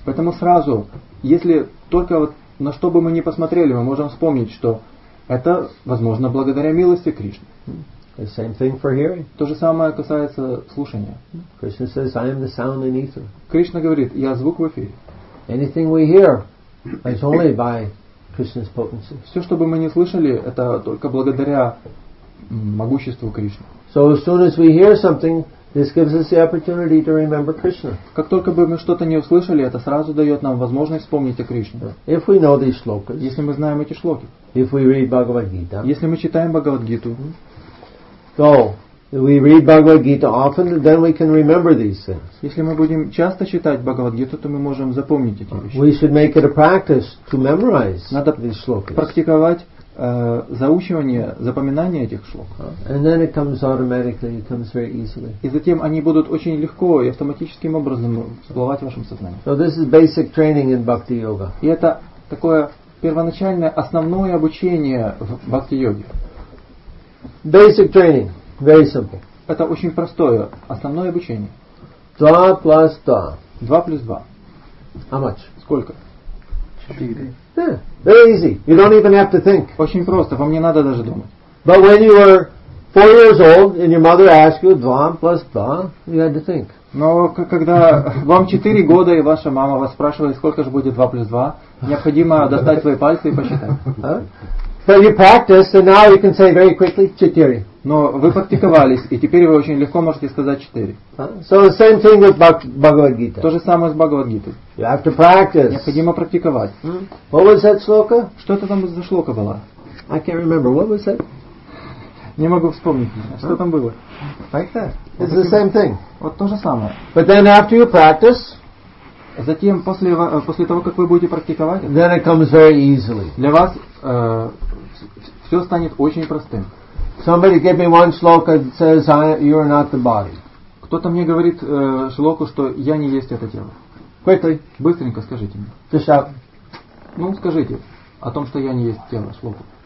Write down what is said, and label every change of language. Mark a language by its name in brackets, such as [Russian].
[Russian] Поэтому сразу, если только вот на что бы мы ни посмотрели, мы можем вспомнить, что это возможно благодаря милости Кришны. [English] The same thing for hearing. [Russian] То же самое касается слушания. [English] Krishna says, I am the sound in ether. [Russian] Кришна говорит, я звук в эфире. [English] Anything we hear is only by Krishna's potency. [Russian] Все, что бы мы ни слышали, это только благодаря могуществу Кришны. [English] So as soon as we hear something, this gives us the opportunity to remember Krishna. [Russian] Как только бы мы что-то не услышали, это сразу дает нам возможность вспомнить о Кришне. [English] If we know these shlokas, [Russian] если мы знаем эти шлоки, [English] if we read Bhagavad Gita, [Russian] если мы читаем Бхагавад Гиту, [English] so we read Bhagavad Gita often, then we can remember these things. [Russian] Если мы будем часто читать Бхагавад Гиту, то мы можем запомнить эти вещи. [English] We should make it a practice to memorize. [Russian] Надо [English] these shlokas. [Russian] Практиковать. Заучивание, запоминание этих шлок. [English] And then it comes automatically, it comes very easily. [Russian] И затем они будут очень легко и автоматическим образом всплывать в вашем сознании. [English] So this is basic training in bhakti yoga. [Russian] И это такое первоначальное основное обучение в бхакти йоге. [English] Basic training, very simple. [Russian] Это очень простое основное обучение. Два плюс два. Два плюс два. [English] How much? [Russian] Сколько? Четыре. [English] Yeah, very easy. You don't even have to think. [Russian] Очень просто. Вам не надо даже думать. [English] But when you were 4 years old and your mother asked you [Russian] два плюс два, [English] you had to think. [Russian] Но когда вам 4 года и ваша мама вас спрашивает, сколько же будет 2 + 2, необходимо достать свои пальцы и посчитать. [English] But you practiced, and now you can say very quickly [Russian] четыре. Но вы практиковались, и теперь вы очень легко можете сказать 4. [English] So the same thing with Bhagavad Gita. [Russian] То же самое с Бхагавад Гитой. [English] You have to practice. [Russian] Необходимо практиковать. [English] What was that shloka? [Russian] Что это там за шлока была? [English] I can't remember. What was that? [Russian] Не могу вспомнить. Что там было? [English] Like that. It's the same thing. [Russian] Вот то же самое. [English] But then after you practice, [Russian] затем после того, как вы будете практиковать, [English] then it comes very easily. [Russian] Для вас все станет очень простым. [English] Somebody give me one shloka that says you are not the body. [Russian] Кто-то мне говорит шлоку, что я не есть это тело. [English] Quickly. [Russian] Быстренько скажите мне. [English] Just out. [Russian] Ну, скажите о том, что я не есть тело, шлоку.